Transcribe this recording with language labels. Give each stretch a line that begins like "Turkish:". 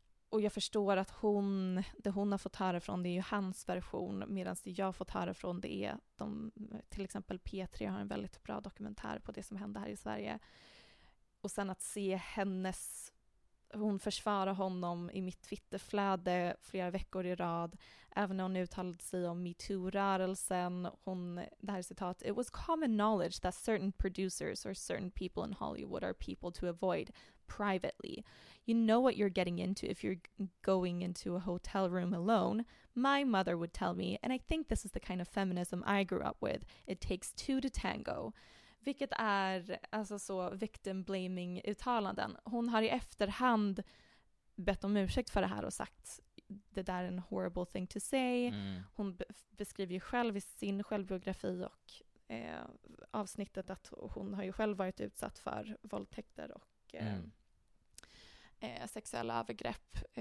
Swedish: Och jag förstår att det hon har fått höra från det är ju hans version, medan det jag har fått höra från det är de, till exempel P3 har en väldigt bra dokumentär på det som hände här i Sverige. Och sen att se hennes, hon försvarar honom i mitt Twitterflöde flera veckor i rad, även när hon uttalade sig om MeToo-rörelsen. Hon, det här citat,
English: "It was common knowledge that certain producers or certain people in Hollywood are people to avoid privately. You know what you're getting into if you're going into a hotel room alone. My mother would tell me, and I think this is the kind of feminism I grew up with. It takes two to tango."
Swedish: Vilket är alltså så
English: victim blaming
Swedish: uttalanden. Hon har i efterhand bett om ursäkt för det här och sagt det där är en
English: horrible thing to say.
Swedish: Mm. Hon beskriver ju själv i sin självbiografi och avsnittet att hon har ju själv varit utsatt för våldtäkter och sexuella övergrepp.